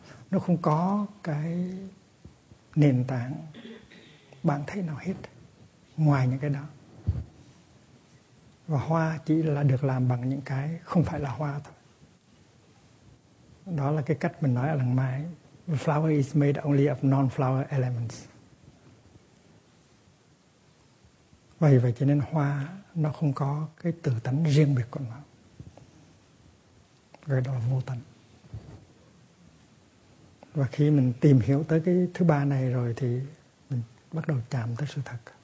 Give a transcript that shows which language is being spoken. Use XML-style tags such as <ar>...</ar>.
<vi>Nó không có cái nền tảng bản thể nào hết ngoài những cái đó. Và hoa chỉ là được làm bằng những cái không phải là hoa thôi. Đó là cái cách mình nói ở làng Mai.</vi> <en>The flower is made only of non-flower elements.</en> <vi>Vậy vậy cho nên hoa nó không có cái tự tánh riêng biệt của nó. Vậy đó là vô tánh. Và khi mình tìm hiểu tới cái thứ ba này rồi thì mình bắt đầu chạm tới sự thật.</vi>